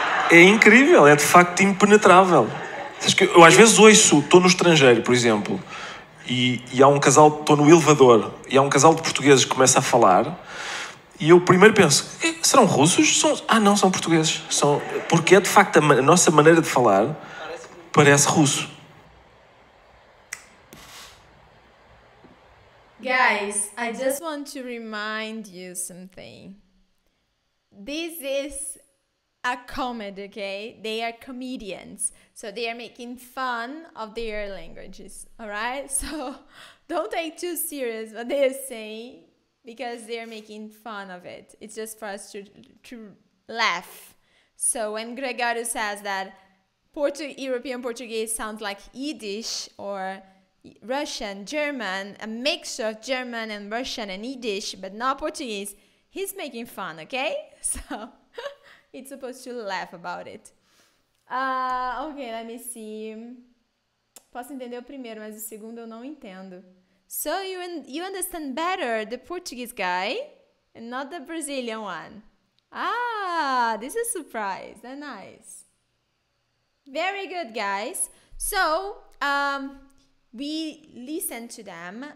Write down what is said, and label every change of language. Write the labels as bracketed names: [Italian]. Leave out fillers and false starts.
[Portuguese] É incrível, é de facto impenetrável. Eu às vezes ouço, estou no estrangeiro, por exemplo, e há um casal, estou no elevador, e há um casal de portugueses que começa a falar, e eu primeiro penso, serão russos? São portugueses. Porque é de facto a nossa maneira de falar parece russo. [English] Guys, I just want to remind you something. This is a comedy, okay? They are comedians, so they are making fun of their languages, all right? So don't take too serious what they are saying, because they are making fun of it. It's just for us to laugh. So when Gregório says that European Portuguese sounds like Yiddish or Russian, German, a mixture of German and Russian and Yiddish, but not Portuguese, he's making fun, okay? So it's supposed to laugh about it. Ok, let me see. [Portuguese] Posso entender o primeiro, mas o segundo eu não entendo. [English] So you understand better the Portuguese guy and not the Brazilian one. Ah, this is a surprise. That's nice. Very good, guys. So, we listened to them.